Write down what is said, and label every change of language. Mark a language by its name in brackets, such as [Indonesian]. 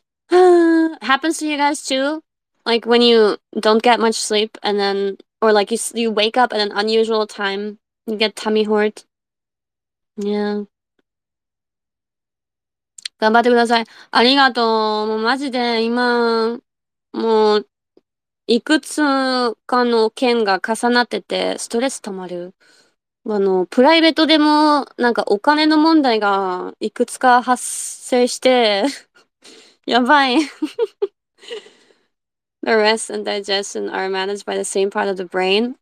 [English] Happens to you guys too? Like when you don't get much sleep and then, or like you wake up at an unusual time, you get tummy hurt. Yeah. [Japanese] ください。ありがとう。もうマジで今、もういくつかの件が重なってて、ストレス溜まる。プライベートでも、なんかお金の問題がいくつか発生して、やばい。 [English] The rest and digestion are managed by the same part of the brain.